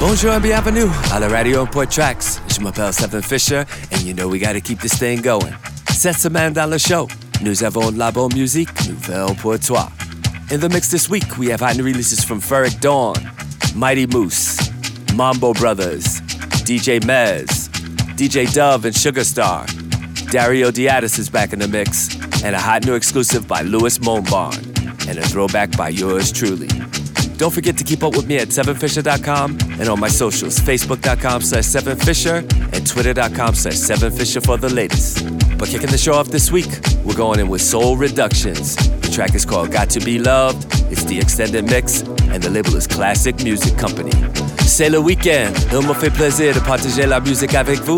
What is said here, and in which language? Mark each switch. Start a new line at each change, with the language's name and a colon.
French: Bonjour
English: and
French: bienvenue à la radio
English: Import Tracks.
French: Je m'appelle
English: Seven Fisher, and you know we gotta keep this thing going.
French: Cette semaine dans le show, nous avons la bonne musique nouvelle pour toi.
English: In the mix this week, we have hot new releases from Ferric Dawn, Mighty Moose, Mambo Brothers, DJ Mez, DJ Dove and Sugarstar. Dario Diadis is back in the mix, and a hot new exclusive by Louis Monbarn, and a throwback by yours truly. Don't forget to keep up with me at 7fisher.com and on my socials, facebook.com/7fisher and twitter.com/7fisher for the latest. But kicking the show off this week, we're going in with Soul Reductions. The track is called Got to Be Loved. It's the extended mix, and the label is Classic Music Company.
French: C'est le week-end. Il me fait plaisir de partager la musique avec vous.